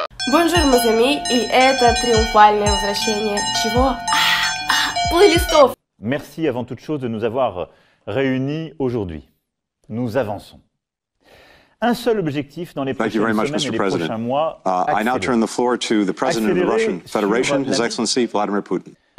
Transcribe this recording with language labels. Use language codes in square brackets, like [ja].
[fr] Бонжур, мазами, [ru] и это триумфальное возвращение чего? Плейлистов! [fr] Merci avant toute chose de nous avoir réunis aujourd'hui. Nous avançons. Un seul objectif dans les prochaines semaines et les prochains mois, [en] I now turn the floor to the President of the Russian Federation, His Excellency Vladimir Putin.